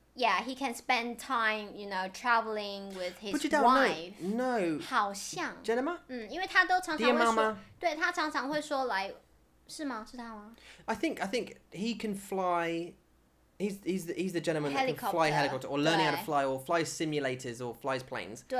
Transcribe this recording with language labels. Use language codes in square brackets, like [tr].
[en] Yeah, he can spend time, you know, traveling with his wife. No. [zh] 好像, Jenna Ma? 因为他都常常会说, 是吗？是他吗？ [en] I think he can fly. He's the gentleman that can fly helicopter or learning how to fly or fly simulators or flies planes.